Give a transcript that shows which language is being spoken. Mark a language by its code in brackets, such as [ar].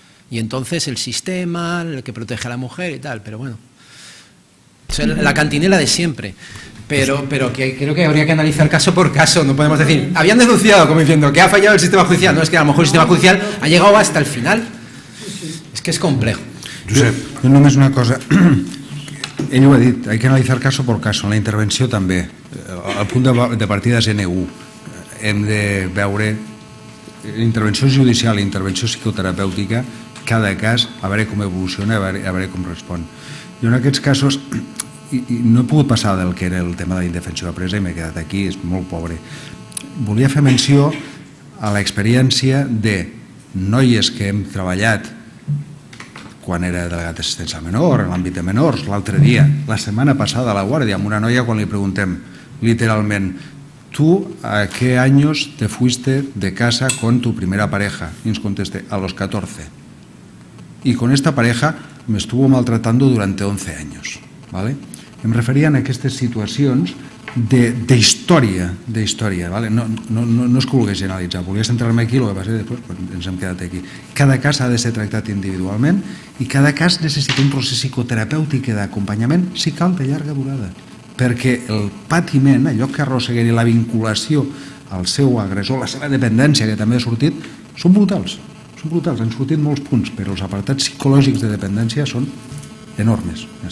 [es] Y entonces el sistema, el que protege a la mujer y tal, pero bueno, o sea, la cantinela de siempre. Pero que creo que habría que analizar caso por caso, no podemos decir, habían denunciado, como diciendo, que ha fallado el sistema judicial, no, es que a lo mejor el sistema judicial ha llegado hasta el final, es que es complejo. [ca] Josep, yo només una cosa, ell ho ha dit, [es] hay que analizar caso por caso, [ca] la intervenció també, el punt de partida és N1, hem de veure intervenció judicial, intervenció psicoterapèutica, cada cas, a veure com evoluciona, a veure com respon. I en aquests casos... I no he pogut passar del que era el tema de la indefensió de presa i m'he quedat aquí, és molt pobre. Volia fer menció a l'experiència de noies que hem treballat quan era delegat d'assistència al menor, en l'àmbit de menors, l'altre dia, la setmana passada a la Guàrdia, amb una noia quan li preguntem literalment, tu a què anys [es] te fuiste de casa con tu primera pareja? [ca] I ens conteste, [es] a los 14. I con esta pareja me estuvo maltratando durante 11 anys. ¿Vale? [ca] Em referia a aquestes situacions d'història, ¿vale? No es que volgués generalitzar, volia centrar-me aquí, el que passa després ens hem quedat aquí. Cada cas ha de ser tractat individualment i cada cas necessita un procés psicoterapèutic d'acompanyament, si cal, de llarga durada, perquè el patiment, allò que arrosseguen i la vinculació al seu agressor, la seva dependència, que també ha sortit, són brutals, han sortit molts punts, però els apartats psicològics de dependència són enormes.